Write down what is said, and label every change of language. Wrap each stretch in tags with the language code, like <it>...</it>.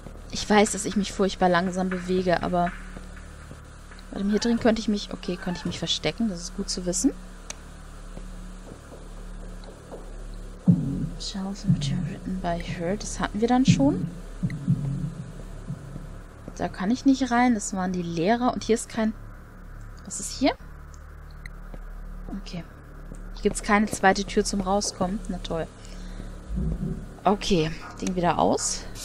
<de>Ich weiß, dass ich mich furchtbar langsam bewege, aber... Hier drin könnte ich mich... Okay, könnte ich mich verstecken. Das ist gut zu wissen.</de> <en>Shelves and material written by her.</en> <de>Das hatten wir dann schon. Da kann ich nicht rein. Das waren die Lehrer. Und hier ist kein... Was ist hier? Okay. Hier gibt es keine zweite Tür zum Rauskommen. Na toll. Okay. Ding wieder aus.</de>